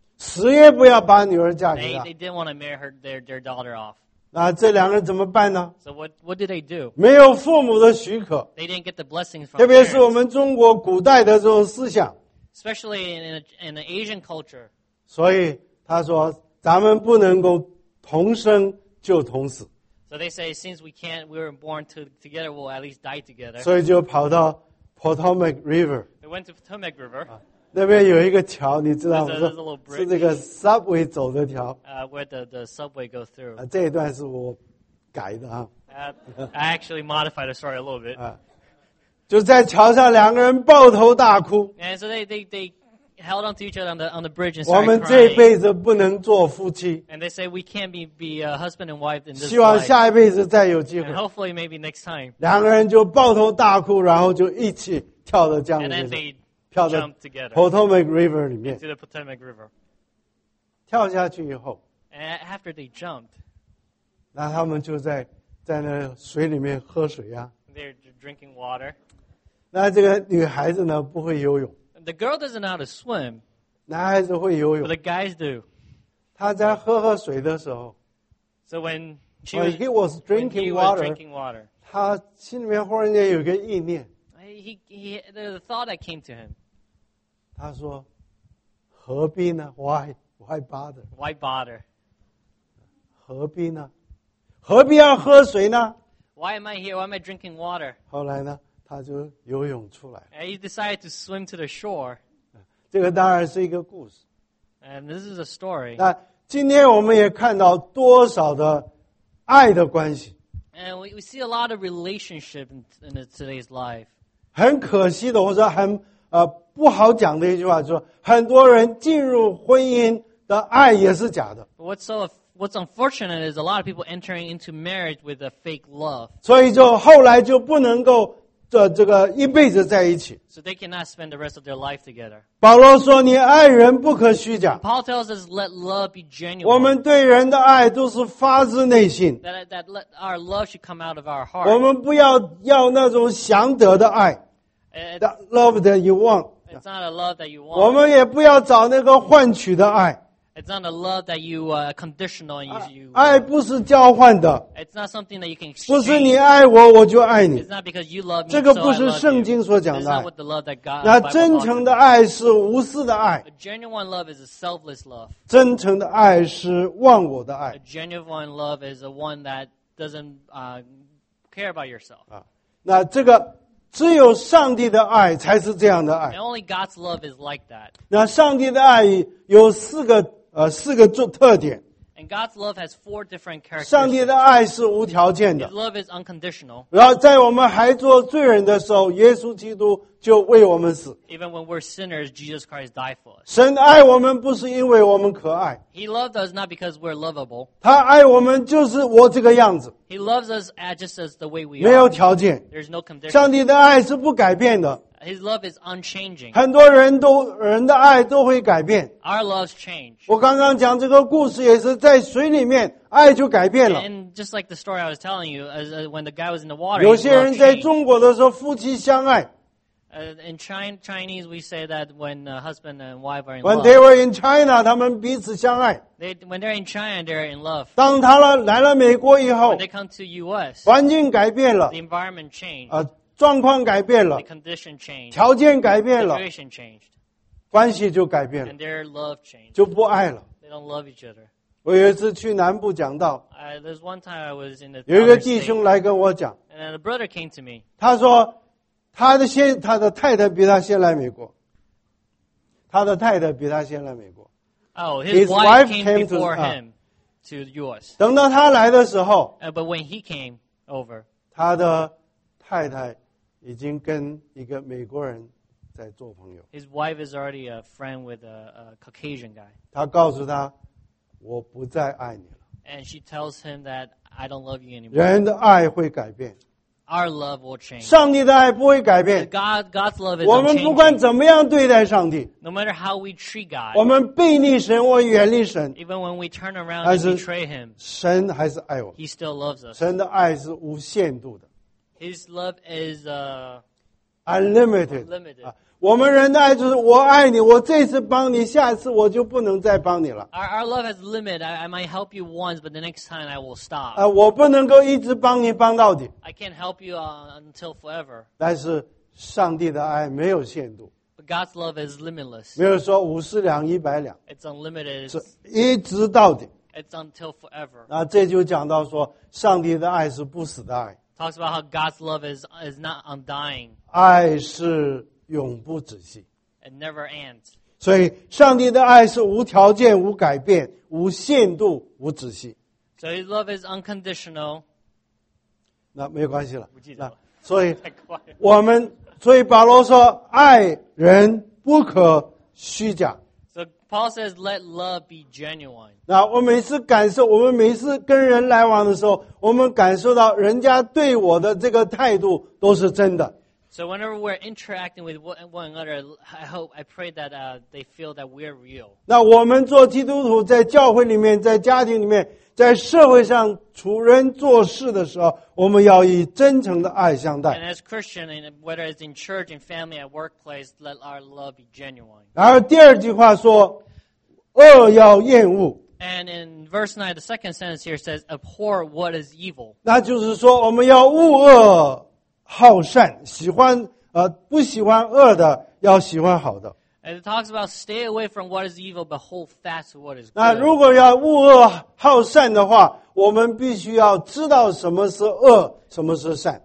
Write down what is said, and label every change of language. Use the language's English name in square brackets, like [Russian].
[Chinese] 死也不要把女儿嫁给他。 [English] They didn't want to marry their daughter off. [Chinese] 那这两个人怎么办呢？ [English] So what did they do? [Chinese] 没有父母的许可。 [English] They didn't get the blessings from their parents. [Chinese] 特别是我们中国古代的这种思想。 [English] Especially in the Asian culture. [Chinese] 所以他说：“咱们不能够同生就同死。” [English] So they say, since we were born together, we'll at least die together. [Chinese] 所以就跑到 Potomac River. [English] They went to Potomac River. [Chinese] 那边有一个桥，你知道吗？ [English] There's a little bridge. [Chinese] 是这个 subway 走的桥。 [English] Where the subway go through. [Chinese] 这一段是我改的啊。 [English] I actually modified the story a little bit. [Chinese] 就在桥上，两个人抱头大哭。 [English] And so they held on to each other on the bridge and started crying. [Chinese] 我们这辈子不能做夫妻。 [English] And they say we can't be a husband and wife in this life. [Chinese] 希望下一辈子再有机会。 [English] And hopefully maybe next time. [Chinese] 两个人就抱头大哭，然后就一起跳到江里面。 [English] And then they jumped together. [Chinese] Potomac River 里面。 [English] Into the Potomac River. [Chinese] 跳下去以后。 [English] And after they jumped. [Chinese] 那他们就在那水里面喝水呀。 [English] They're drinking water. [Chinese] 那这个女孩子呢，不会游泳。 [English] The girl doesn't know how to swim. [Chinese] 男孩子会游泳。 [English] But the guys do. [Chinese] 他在喝喝水的时候。 [English] So when she was, he was drinking water. Water, [Chinese] 他心里面忽然间有个意念。 [English] The thought that came to him. [Chinese] 他说，何必呢？ [English] Why bother? Why bother? [Chinese] 何必呢？何必要喝水呢？ [English] Why am I here? Why am I drinking water? [Chinese] 后来呢？他就游泳出来。 [English] And he decided to swim to the shore. [Chinese] 这个当然是一个故事。 [English] And this is a story. [Chinese] 那今天我们也看到多少的爱的关系。 [English] And we see a lot of relationship in today's life. [Chinese] 很可惜的，或者很不好讲的一句话，就是很多人进入婚姻的爱也是假的。 [English] What's unfortunate is a lot of people entering into marriage with a fake love. [Chinese] 所以就后来就不能够这个一辈子在一起。 [English] So they cannot spend the rest of their life together. [Chinese] 保罗说你爱人不可虚假。 [English] Paul tells us let love be genuine. [Chinese] 我们对人的爱都是发自内心。 [English] That let our love should come out of our heart. [Chinese] 我们不要那种想得的爱。 [English] That love that you want. It's not a love that you want. [Chinese] 我们也不要找那个换取的爱。 [English] It's not a love that you conditional and you. [Chinese] 爱不是交换的。 [English] It's not something that you can exchange. [Chinese] 不是你爱我，我就爱你。 [English] It's not because you love me. [Chinese] 这个不是圣经所讲的。 [English] It's not what the love that God. [Chinese] 那真诚的爱是无私的爱。 [English] A genuine love is a selfless love. [Chinese] 真诚的爱是忘我的爱。 [English] A genuine love is a one that doesn't care about yourself. [Chinese] 那这个只有上帝的爱才是这样的爱。 [English] Only God's love is like that. [Chinese] 那上帝的爱有四个特点。 [English] And God's love has four different characteristics. [Chinese] 上帝的爱是无条件的。 [English] His love is unconditional. [Chinese] 然后在我们还做罪人的时候，耶稣基督就为我们死。 [English] Even when we're sinners, Jesus Christ died for us. [Chinese] 神爱我们不是因为我们可爱。 [English] He loved us not because we're lovable. [Chinese] 他爱我们就是我这个样子。 [English] He loves us just as the way we are. [Chinese] 没有条件。 [English] There's no condition. [Chinese] 上帝的爱是不改变的。 [English] His love is unchanging. [Chinese] 很多人的爱都会改变。 [English] Our loves change. [Chinese] 我刚刚讲这个故事也是在水里面爱就改变了。 [English] And just like the story I was telling you, when the guy was in the water, [Chinese] 有些人在中国的时候夫妻相爱。 [English] In Chinese, we say that when a husband and wife are in when love. When they were in China, [Chinese] 他们彼此相爱。 [English] When they're in China, they're in love. [Chinese] 当他来了美国以后。 [English] When they come to US. [Chinese] 环境改变了。 [English] The environment changed. [Chinese] 状况改变了 [English] the condition changed, [Chinese] 条件改变了 [English] the situation changed, [Chinese] 关系就改变了 [English] and their love changed, [Chinese] 就不爱了 [English] they don't love each other. [Chinese] 我有一次去南部讲道 [English] there's one time I was in the [Chinese] 有一个弟兄来跟我讲 [English] and then a brother came to me. [Chinese] 他说他的太太比他先来美国他的太太比他先来美国 [English] oh, his wife came before him to US. [Chinese] 等到他来的时候 [English] but when he came over, [Chinese] 他的太太已经跟一个美国人在做朋友。 [English] His wife is already a friend with a Caucasian guy. [Chinese] 他告诉他，我不再爱你了。 [English] And she tells him that I don't love you anymore. [Chinese] 人的爱会改变。 [English] Our love will change. [Chinese] 上帝的爱不会改变。 [English] God's love is unchanging. [Chinese] 我们不管怎么样对待上帝。 [English] No matter how we treat God. [Chinese] 我们背逆神或远离神。 [English] Even when we turn around and betray him. [Chinese] 神还是爱我。 [English] He still loves us. [Chinese] 神的爱是无限度的。 [English] His love is unlimited. Limited. [Chinese] 我们人的爱就是我爱你，我这次帮你，下次我就不能再帮你了。 [English] Our love has limit. I might help you once, but the next time I will stop. [Chinese] 我不能够一直帮你帮到底。 [English] I can't help you until forever. [Chinese] 但是上帝的爱没有限度。 [English] But God's love is limitless. [Chinese] 没有说五十两、一百两。 [English] It's unlimited. [Chinese] 是一直到底。 [English] It's until forever. [Chinese] 那这就讲到说，上帝的爱是不死的爱。 [English] Talks about how God's love is not undying. [Chinese] 爱是永不止息。 [English] It never ends. [Chinese] 所以上帝的爱是无条件、无改变、无限度、无止息。 [English] So His love is unconditional. [Chinese] 那没关系了。不记得了。所以所以保罗说，爱人不可虚假。 [English] So Paul says, let love be genuine. [Chinese] 那我每次感受，我们每次跟人来往的时候，我们感受到人家对我的这个态度都是真的。 [English] So whenever we're interacting with one another, I pray that they feel that we're real. [Chinese] 那我们做基督徒，在教会里面，在家庭里面，在社会上处人做事的时候，我们要以真诚的爱相待。 [English] And as Christian, whether it's in church, in family, at workplace, let our love be genuine. [Chinese] 然后第二句话说，恶要厌恶。 [English] And in verse 9, the second sentence here says, abhor what is evil. [Chinese] 那就是说，我们要恶恶。好善，喜欢不喜欢恶的，要喜欢好的。 [English] And it talks about stay away from what is evil, but hold fast to what is good. [Chinese] 那如果要恶恶好善的话，我们必须要知道什么是恶，什么是善。